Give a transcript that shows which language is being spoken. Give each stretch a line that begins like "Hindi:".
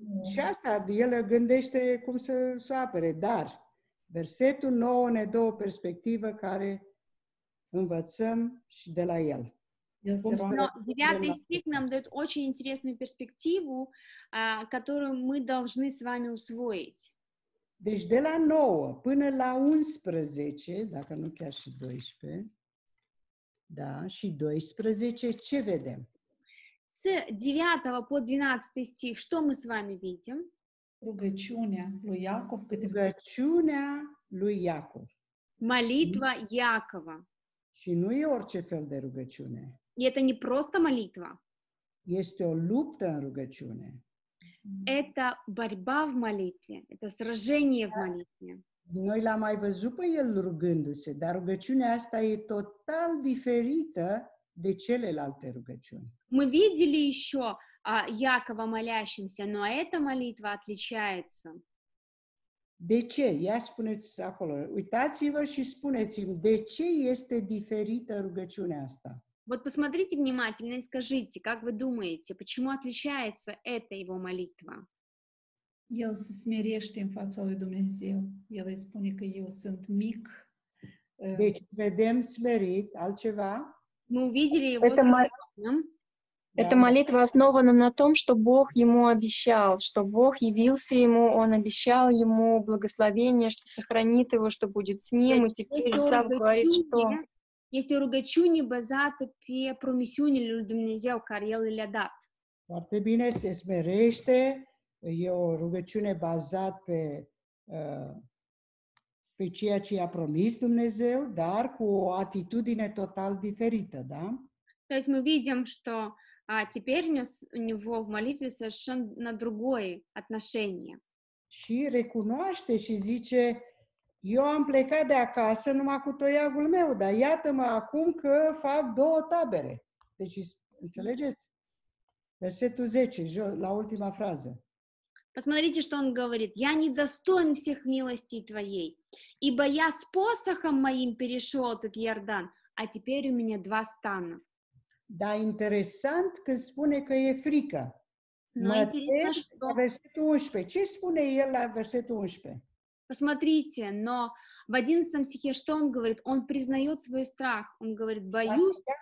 Romanian: Și asta, el gândește cum să apere, dar versetul 9 ne dă o perspectivă care învățăm și de la el.
Russian: Девятый стих нам дает очень интересную перспективу, которую мы должны с вами усвоить.
Romanian: Deci de la 9 până la 11, dacă nu chiar și 12, da, și 12, ce vedem?
Russian: С 9 по 12 стих, что мы с вами видим?
Romanian: Rugăciunea lui Iacov. Rugăciunea lui Iacov.
Russian: Молитва Якова.
Romanian: Și nu e orice fel de rugăciune.
Russian: Это не просто молитва.
Romanian: Este o luptă în rugăciune.
Russian: Это борьба в молитве, это сражение в молитве.
Romanian: Noi l-am mai văzut pe el rugându-se, dar rugăciunea asta e total diferită de celelalte rugăciuni.
Russian: Мы видели еще Якова молящимся, но эта молитва отличается.
Romanian: De ce? Ia spuneți acolo, uitați-vă și spuneți-mi, de ce este diferită rugăciunea asta?
Russian: Вот посмотрите внимательно и скажите, как вы думаете, почему отличается эта его молитва?
Romanian: El se smerește în fața lui Dumnezeu. El îi spune că eu sunt мик. Deci vedem смирит, altceva?
Russian: Мы увидели его смиренным. Эта молитва основана на том, что Бог ему обещал, что Бог явился ему, он обещал ему благословение, что сохранит его, что будет с ним, и теперь сам говорит, что...
Romanian: Este o rugăciune bazată pe promisiunile lui Dumnezeu care el le-a dat. Foarte bine, se smerește. E o rugăciune bazată pe, pe ceea ce i-a promis Dumnezeu, dar cu o atitudine total diferită, da?
Russian: То есть мы видим, что теперь у него в молитве совершенно другое отношение.
Romanian: Și recunoaște și zice... Eu am plecat de acasă numai cu toiagul meu, dar iată-mă acum că fac două tabere. Deci, înțelegeți? Versetul 10, la ultima frază.
Russian: Посмотрите, что он говорит. Я недостоин всех милостей твоей, ибо я с посохом моим перешел этот Иордан, а теперь у меня два стана.
Romanian: Да, интересант, când spune că e frică.
Russian: Но интересно, что...
Romanian: Versetul 11. Ce spune el la versetul 11?
Russian: Посмотрите, но в 11 стихе что он говорит? Он признает свой страх. Он говорит, боюсь.